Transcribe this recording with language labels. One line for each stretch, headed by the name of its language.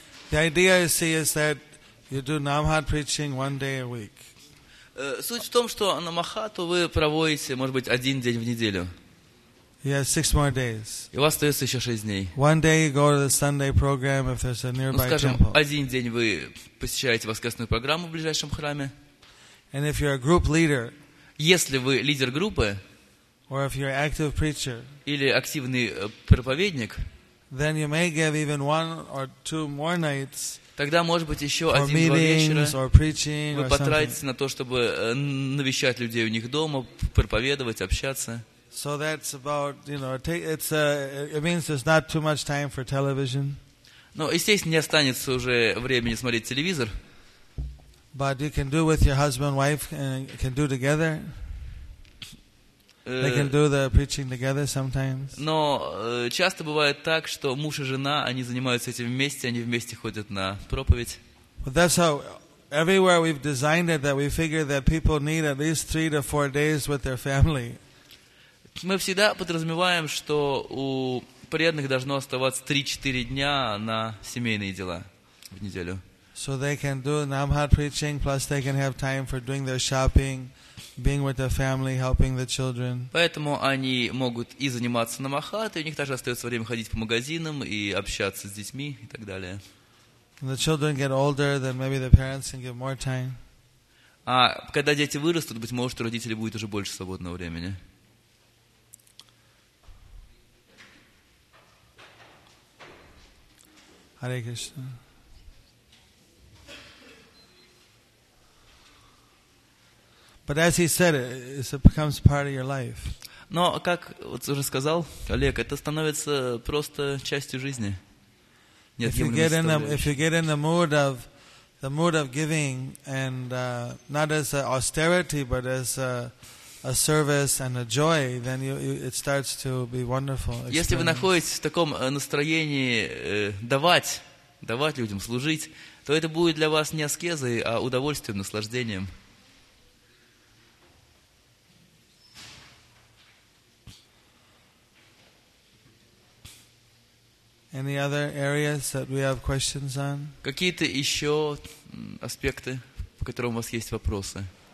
English: The idea I see is that you do Namahat preaching one day a week.
Russian: Суть в том, что намахату вы проводите, может быть, один день в неделю.
English: Yes, six more days.
Russian: И у вас остается еще шесть дней.
English: One day you go to the Sunday program if there's a nearby temple.
Russian: Ну, скажем, один день вы посещаете воскресную программу в ближайшем храме.
English: And if you're a group leader.
Russian: Если вы лидер группы.
English: Or if you're an active preacher.
Russian: Или активный проповедник.
English: Then you may give even one or two more nights.
Russian: Тогда, может быть, еще один-два вечера вы потратите на то, чтобы навещать людей у них дома, проповедовать, общаться.
English: So that's about, you know, it's a, it means there's not too much time for television.
Russian: Но, естественно, не останется уже времени смотреть телевизор.
English: But you can do with your husband, wife, and can do together. They can do the preaching together sometimes.
Russian: Но часто бывает так, что муж и жена, они занимаются этим вместе, они вместе ходят на проповедь.
English: But that's how everywhere we've designed it, that we figure that people need at least 3 to 4 days with their family.
Russian: Мы всегда подразумеваем, что у преданных должно оставаться 3-4 дня на семейные дела в неделю.
English: So they can do Namhat preaching, plus they can have time for doing their shopping, being with the family, helping the children.
Russian: Поэтому они могут и заниматься намахат, и у них также остается время ходить по магазинам и общаться с детьми и так далее.
English: When the children get older, then maybe the parents can give more time.
Russian: А когда дети вырастут, быть может, у родителей будет уже больше свободного времени.
Sanskrit: Hare Krishna.
English: But as he said, it becomes part of your life.
Russian: Но как вот уже сказал Олег, это становится просто частью жизни.
English: If you get in the mood of giving and not as an austerity, but as a service and a joy, then it starts to be wonderful. Experience.
Russian: Если вы находитесь в таком настроении давать людям служить, то это будет для вас не аскезой, а удовольствием, наслаждением.
English: Any other areas that we have questions on?
Russian: Какие-то еще аспекты, по которым у вас есть вопросы?